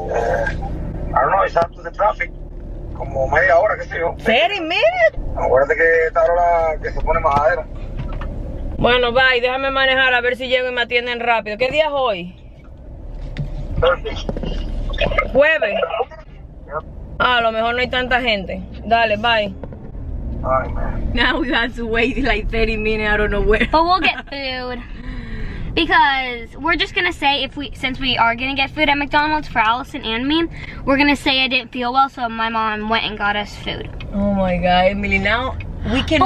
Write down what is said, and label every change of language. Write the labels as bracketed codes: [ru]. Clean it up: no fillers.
[en] I don't know, it's up to the traffic. [es] Como media hora, qué sé yo. ¿Serio? ¿Media? Acuérdate que esta hora que se pone majadera. Bueno, bye, déjame manejar a ver si llego y me atienden rápido. ¿Qué día es hoy? ¿Jueves? Yeah. Ah, a lo mejor no hay tanta gente. Dale, bye. [en] Bye, man. Now we have to wait like 30 minutes, I don't know where. But we'll get food. Because we're just gonna say since we are gonna get food at McDonald's for Allison and me, we're gonna say I didn't feel well, so my mom went and got us food. Oh my god, Emily! Now we cannot.